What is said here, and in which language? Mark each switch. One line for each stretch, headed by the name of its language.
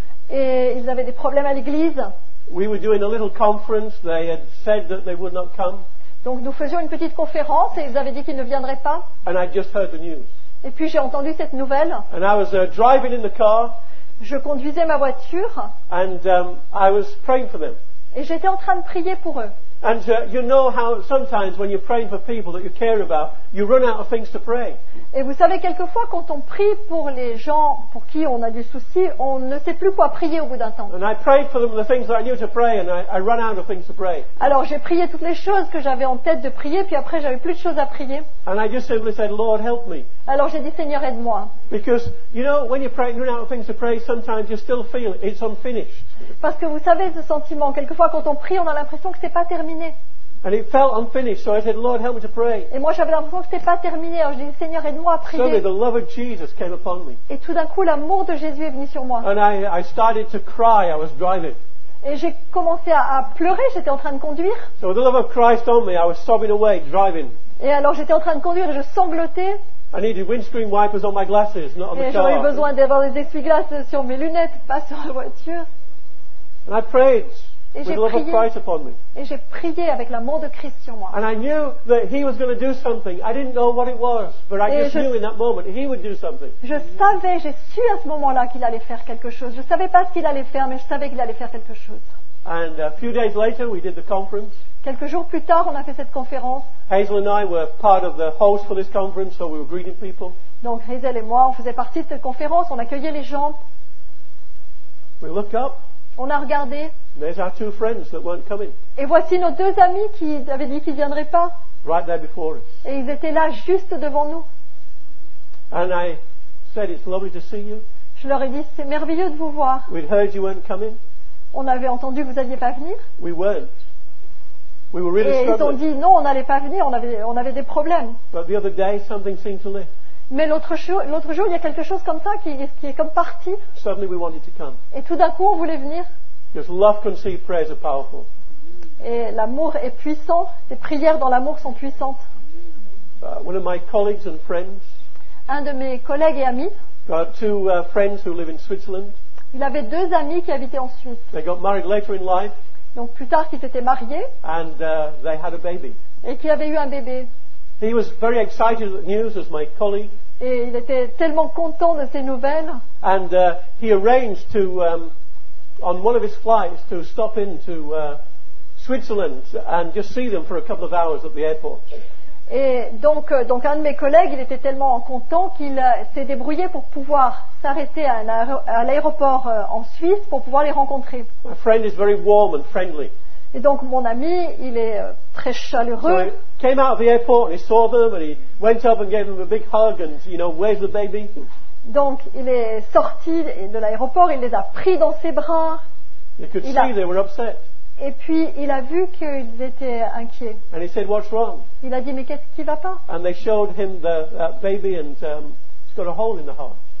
French: Et ils avaient des problèmes à l'église.
English: We were doing a little conference. They had said that they would not come.
French: Donc nous faisions une petite conférence et ils avaient dit qu'ils ne viendraient pas.
English: And I just heard the news.
French: Et puis j'ai entendu cette nouvelle.
English: And I was driving in the car.
French: Je conduisais ma voiture.
English: And I was praying for them.
French: Et j'étais en train de prier pour eux.
English: And you know how sometimes when you're praying for people that you care about, you run out of things to pray.
French: Et vous savez, quelquefois quand on prie pour les gens pour qui on a du souci, on ne sait plus quoi prier au bout d'un temps.
English: And I prayed for them the things that I knew to pray, and I ran out of things to pray.
French: Alors j'ai prié toutes les choses que j'avais en tête de prier, puis après j'avais plus de choses à prier.
English: And I just simply said, Lord, help me.
French: Alors j'ai dit, Seigneur, aide-moi.
English: Because you know when you're praying, run out of things to pray, sometimes you still feel it's unfinished.
French: Parce que vous savez ce sentiment, quelquefois quand on prie, on a l'impression que c'est pas terminé.
English: And it felt unfinished, so I said, Lord, help me to pray.
French: Et moi j'avais l'impression que c'était pas terminé, alors je dis, Seigneur, aide-moi à prier.
English: Suddenly the love of Jesus came upon me.
French: Et tout d'un coup l'amour de Jésus est venu sur moi.
English: And I started to cry, I was driving.
French: Et j'ai commencé à pleurer, j'étais en train de conduire.
English: So with the love of Christ on me, I was sobbing away, driving.
French: Et alors j'étais en train de conduire et je sanglotais.
English: I needed windscreen wipers on my glasses, not on the
French: et
English: car.
French: J'avais besoin d'avoir des essuie-glaces sur mes lunettes, pas sur la voiture.
English: And I prayed.
French: Et
English: with
French: j'ai
English: love
French: prié,
English: of Christ upon me.
French: Et j'ai prié avec l'amour de Christ sur moi.
English: And I knew that he was going to do something. I didn't know what it was, but I
French: et
English: just knew in that moment he would do something.
French: Je savais, j'ai su à ce moment-là qu'il allait faire quelque chose. Je savais pas ce qu'il allait faire, mais je savais qu'il allait faire quelque chose.
English: And a few days later we did the conference.
French: Quelques jours plus tard, on a fait cette conférence.
English: Hazel and I were part of the host for this conference, so we were greeting people.
French: Donc Hazel et moi, on faisait partie de cette conférence, on accueillait les gens.
English: We looked up.
French: On a regardé.
English: There's our two friends that weren't coming.
French: Et voici nos deux amis qui avaient dit qu'ils ne viendraient pas.
English: Right there before us.
French: Et ils étaient là juste devant nous.
English: And I said, it's lovely to see you.
French: Je leur ai dit, c'est merveilleux de vous voir.
English: We'd heard you weren't coming.
French: On avait entendu que vous n'alliez pas venir.
English: We weren't. We were really
French: et
English: struggling.
French: Ils ont dit, non, on n'allait pas venir, on avait des problèmes.
English: But the other day, something seemed to lift.
French: Mais l'autre jour, il y a quelque chose comme ça qui est comme parti.
English: Suddenly we wanted to come.
French: Et tout d'un coup, on voulait venir.
English: Because love can see prayers are powerful.
French: Et l'amour est puissant. Les prières dans l'amour sont puissantes.
English: One of my colleagues and friends,
French: un de mes collègues et amis.
English: Got two friends who live in Switzerland.
French: Il avait deux amis qui habitaient en Suisse.
English: They got married later in life.
French: Donc plus tard, ils s'étaient mariés.
English: And they had a baby.
French: Et qui avait eu un bébé.
English: He was very excited at the news as my colleague.
French: Et il était tellement content de ces nouvelles.
English: And he arranged to on one of his flights to stop into Switzerland and just see them for a couple of hours at the airport.
French: Et donc un de mes collègues, il était tellement content qu'il s'est débrouillé pour pouvoir s'arrêter à l'aéroport en Suisse pour pouvoir les rencontrer.
English: My friend is very warm and friendly.
French: Et donc mon ami, il est très chaleureux.
English: So he came out of the airport and he saw them and he went up and gave them a big hug and you know, where's the baby?
French: Donc il est sorti de l'aéroport, il les a pris dans ses bras.
English: You could
French: il
English: see a... they were upset.
French: Et puis il a vu qu'ils étaient inquiets.
English: And he said, what's wrong?
French: Il a dit, mais qu'est-ce qui va pas?
English: And they showed him the baby and it's got a hole in the heart.